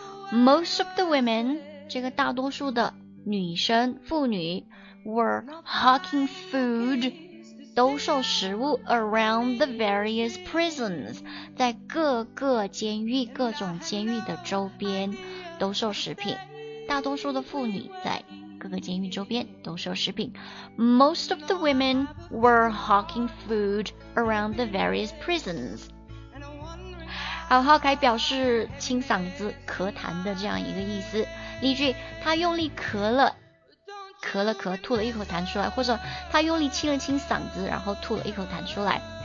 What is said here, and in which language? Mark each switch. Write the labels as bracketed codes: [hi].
[en] Most of the women, [zh] 这个大多数的女生、妇女 [en] were hawking food， [zh] 兜售食物 [en] around the various prisons， [zh] 在各个监狱、各种监狱的周边兜售食品。大多数的妇女在各个监狱周边兜售食品。 [en] Most of the women were hawking food around the various prisons。 [zh] 好， hawk 还表示清嗓子咳痰的这样一个意思。例句，他用力咳了咳，吐了一口痰出来，或者他用力清了清嗓子，然后吐了一口痰出来。